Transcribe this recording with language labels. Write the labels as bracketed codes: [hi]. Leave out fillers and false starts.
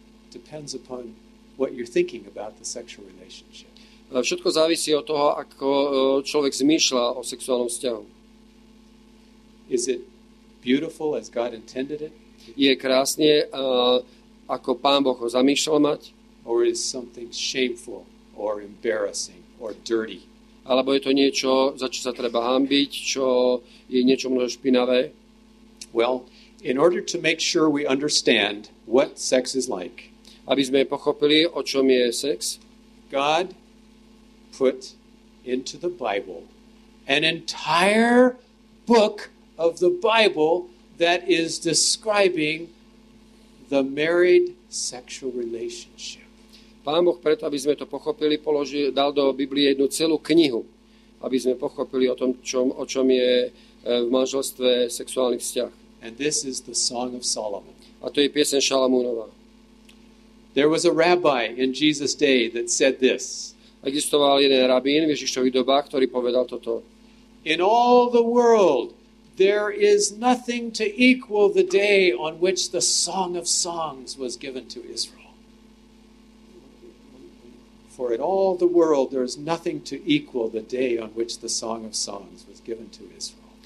[en] Depends upon what you're thinking about the sexual relationship. [sk] Všetko závisí od toho, ako človek zmýšľa o sexuálnom vzťahu. [en] Is it beautiful as God intended it? [sk] Je krásne, ako Pán Boh ho zamýšľal mať? [en] Or is something shameful or embarrassing or dirty? [sk] Alebo je to niečo, za čo sa treba hanbiť, čo je niečo možno špinavé? [en] Well, in order to make sure we understand what sex is like, [sk] aby sme pochopili, o čom je sex, [en] God put into the Bible an entire book of the Bible that is describing the married sexual relationship. [sk] Pán Boh preto, aby sme to pochopili, dal do Biblie jednu celú knihu, aby sme pochopili o tom, o čom je v manželstve sexuálny vzťah. [en] And this is the Song of Solomon. [sk] A to je pieseň Šalamúnova. [en] There was a rabbi in Jesus' day that said this. [sk] Existoval jeden rabín v Ježišových dobách, ktorý povedal toto. [en] In all the world, there is nothing to equal the day on which the Song of Songs was given to Israel. For in all the world there is nothing to equal the day on which the Song of Songs was given to Israel.